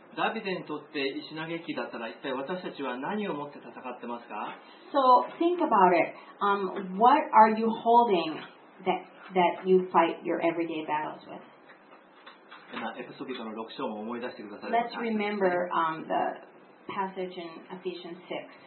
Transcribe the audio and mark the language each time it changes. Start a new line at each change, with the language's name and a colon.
Japanese: ダビデにとって石投げ機だったら一体私たちは何を持って戦ってますか
English: ？So think about it. What are you holding that you fight your everyday battles with?
Japanese: エペソ人の6章を思い出してください。
English: Let's remember the passage in Ephesians 6.